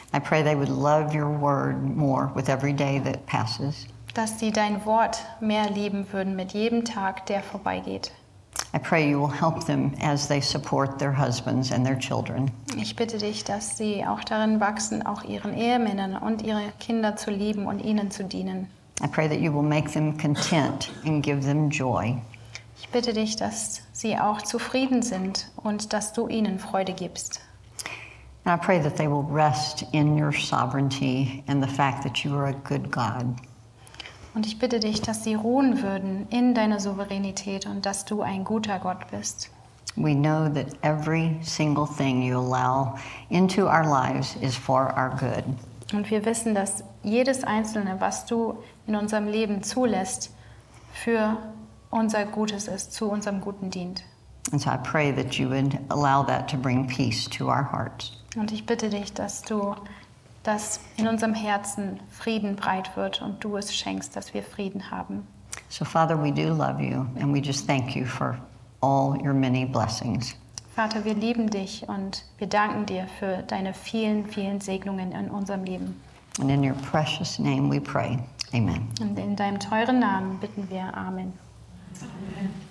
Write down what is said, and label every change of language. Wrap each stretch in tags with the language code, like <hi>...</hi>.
<en>I pray they would love your word more with every day that passes.</en> <de>Dass sie dein Wort mehr lieben würden mit jedem Tag, der vorbeigeht.</de> <en>I pray you will help them as they support their husbands and their children.</en> <de>Ich bitte dich, dass sie auch darin wachsen, auch ihren Ehemännern und ihre Kinder zu lieben und ihnen zu dienen.</de> <en>I pray that you will make them content and give them joy.</en> <de>Ich bitte dich, dass sie auch zufrieden sind und dass du ihnen Freude gibst.</de> <en>And I pray that they will rest in your sovereignty and the fact that you are a good God.</en> <de>Und ich bitte dich, dass sie ruhen würden in deiner Souveränität und dass du ein guter Gott bist.</de> <en>We know that every single thing you allow into our lives is for our good.</en> <de>Und wir wissen, dass jedes Einzelne, was du in unserem Leben zulässt, für unser Gutes ist, zu unserem Guten dient.</de> <en>And so I pray that you would allow that to bring peace to our hearts.</en> <de>Und ich bitte dich, dass du, dass in unserem Herzen Frieden breit wird und du es schenkst, dass wir Frieden haben.</de> <en>So, Father, we do love you and we just thank you for all your many blessings.</en> <de>Vater, wir lieben dich und wir danken dir für deine vielen, vielen Segnungen in unserem Leben.</de> <en>And in your precious name we pray. Amen.</en> <de>Und in deinem teuren Namen bitten wir. Amen. Amen.</de>